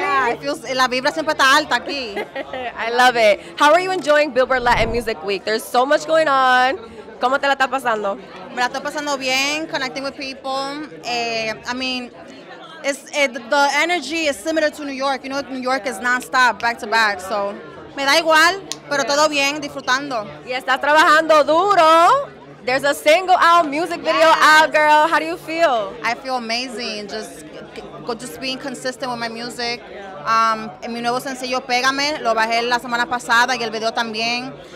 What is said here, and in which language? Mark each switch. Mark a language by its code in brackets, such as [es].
[en] Yeah, it feels, [es] la vibra siempre está alta aquí. [en] I love it. How are you enjoying Billboard Latin Music Week? There's so much going on. [es] ¿Cómo te la está pasando? Me la estoy pasando bien, [en] connecting with people. The energy is similar to New York. You know, New York is nonstop, back to back. [es] So, me da igual, pero todo bien, disfrutando. Y está trabajando duro. [en] There's a single out, music video out, girl. How do you feel? I feel amazing. Just being consistent with my music. [es] En mi nuevo sencillo, Pégame, lo bajé la semana pasada y el video también.